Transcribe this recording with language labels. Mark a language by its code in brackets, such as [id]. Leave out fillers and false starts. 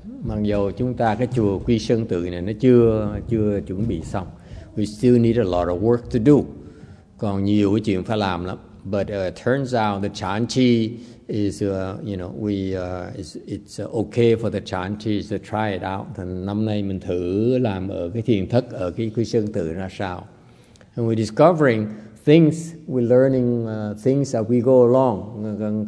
[vi] mặc dù chúng ta cái chùa Quy Sơn Tự này nó chưa chuẩn bị xong, [en] we still need a lot of work to do. [vi] Còn nhiều cái chuyện phải làm lắm. [en] But it turns out the Chan Chi is, it's okay for the Chan Chi to try it out. [vi] Thì năm nay mình thử làm ở cái thiền thất ở cái Quy Sơn Tự ra sao. [en] And we're discovering things, we're learning things as we go along.